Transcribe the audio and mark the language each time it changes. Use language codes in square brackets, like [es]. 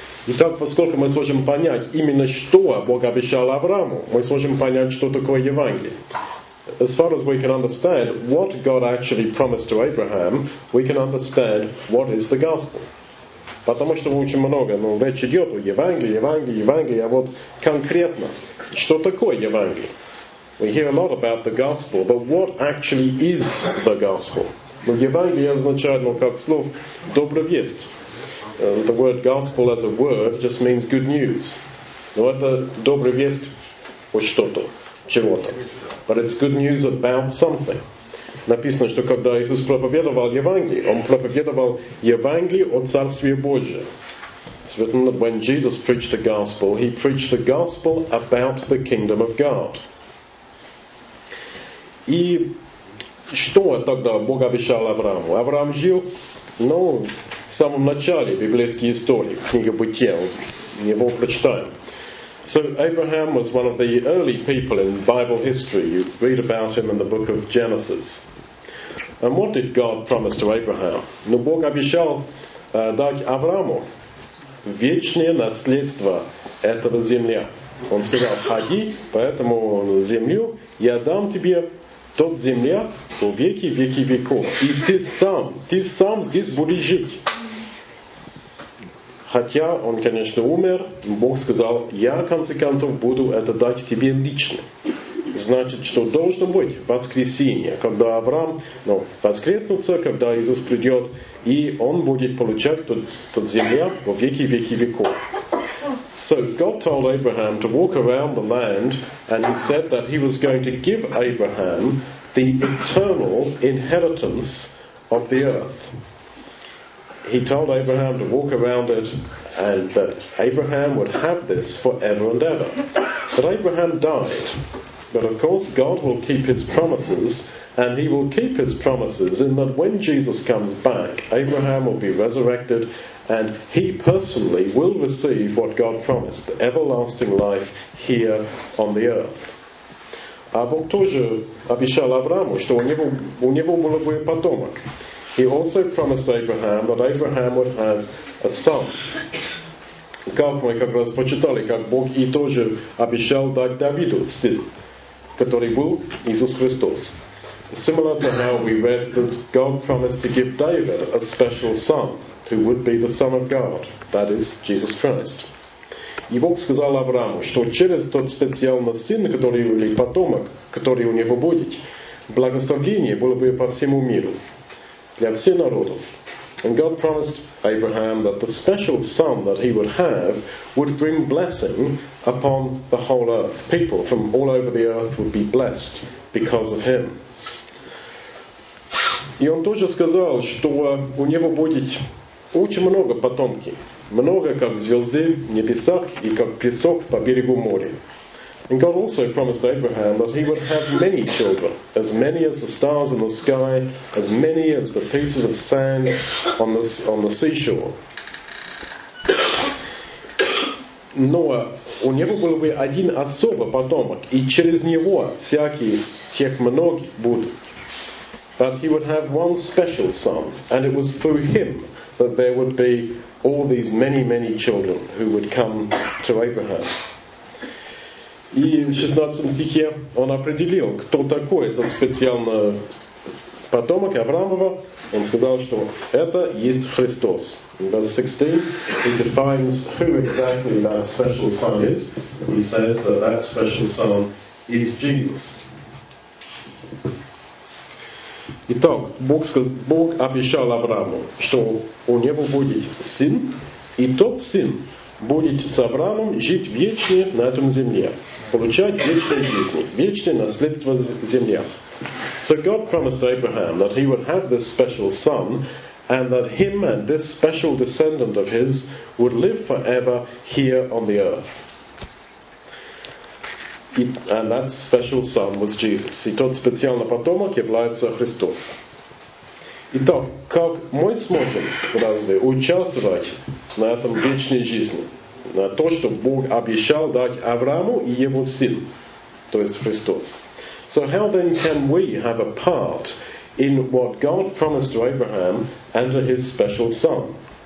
[ru] Итак, поскольку мы сможем понять именно что Бог обещал Аврааму, мы сможем понять, что такое Евангелие. [en] As far as we can understand what God actually promised to Abraham, we can understand what is the gospel. [ru] Потому что очень много, речь идет о Евангелии, Евангелии, Евангелии, а вот конкретно, что такое Евангелие? [en] We hear a lot about the gospel, but what actually is the gospel? [ru] Евангелие означает, как слов, добрая весть. [en] The word gospel as a word just means good news. [ru] Это добрая весть о что-то, чего-то. [en] But it's good news about something. [ru] Написано, что когда Иисус проповедовал Евангелие, Он проповедовал Евангелие о Царстве Божьем. [en] It's written that when Jesus preached the gospel, He preached the gospel about the kingdom of God. [ru] И что тогда Бог обещал Аврааму? Авраам жил, в самом начале библейской истории, книга Бытия, его прочитаем. [en] So Abraham was one of the early people in Bible history. You read about him in the book of Genesis. And what did God promise to Abraham? [ru] Бог обещал дать Аврааму вечное наследство этого земля. Он сказал, ходи по этому землю, я дам тебе тот земля по веки, веки веков. И ты сам здесь будешь жить. Хотя он, конечно, умер, Бог сказал, я, в конце концов, буду это дать тебе лично. Значит, что должно быть воскресение, когда Авраам воскреснется, когда Иисус придет, и он будет получать тот земля во веки, веки, веков. [en] So, God told Abraham to walk around the land, and He said that He was going to give Abraham the eternal inheritance of the earth. He told Abraham to walk around it and that Abraham would have this forever and ever. But Abraham died. But of course God will keep His promises, and He will keep His promises in that when Jesus comes back, Abraham will be resurrected and he personally will receive what God promised, everlasting life here on the earth. [ru] А Бог тоже обещал Аврааму, что у него было бы потомок. [en] He also promised Abraham that Abraham would have a son. [ru] Как мы как раз почитали, как Бог и тоже обещал дать Давиду сын, который был Иисус Христос. [en] Similar to how we read that God promised to give David a special son, who would be the Son of God, that is, Jesus Christ. [ru] И Бог сказал Аврааму, что через тот специальный сын, который или потомок, который у него будет, благословение было бы по всему миру. Для всех народов. [en] And God promised Abraham that the special son that he would have would bring blessing upon the whole earth. People from all over the earth would be blessed because of him. [ru] И он тоже сказал, что у него будет очень много потомки. Много, как звезды в небесах и как песок по берегу моря. [en] And God also promised Abraham that he would have many children, as many as the stars in the sky, as many as the pieces of sand on the seashore. [ru] Но у него был бы один особый потомок, и через него всякие тех многих будут. [en] But he would have one special son, and it was through him that there would be all these many, many children who would come to Abraham. [ru] И в 16 стихе он определил, кто такой этот специальный потомок Авраамова. Он сказал, что это есть Христос. [en] In verse 16, he defines who exactly that special son is. He says that special son is Jesus. [ru] Итак, Бог обещал Аврааму, что у него будет сын, и тот сын будет с Авраамом жить вечно на этом земле, получать вечную жизнь, вечное наследство земля. [en] So God promised Abraham that he would have this special son, and that him and this special descendant of his would live forever here on the earth. And that special son was Jesus. [ru] И тот специальный потомок является Христос. Итак, как мы сможем разве участвовать на этом вечной жизни? На то, что Бог обещал дать Аврааму и его сыну, то есть Христос. [en] So how then can we have a part in what God promised to Abraham and to his special son?